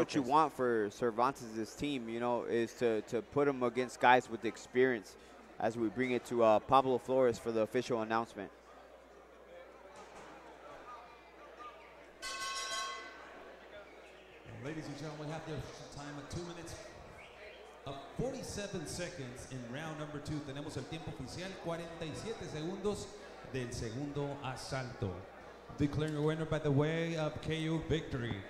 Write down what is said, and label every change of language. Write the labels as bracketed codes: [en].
[en] what you want for Cervantes' team, you know, is to put him against guys with experience as we bring it to Pablo Flores for the official announcement. Ladies and gentlemen, we have the time of 2 minutes. 47 seconds in round number two. [es] Tenemos el tiempo oficial, 47 segundos del segundo asalto. [en] Declaring your winner by the way of KO victory.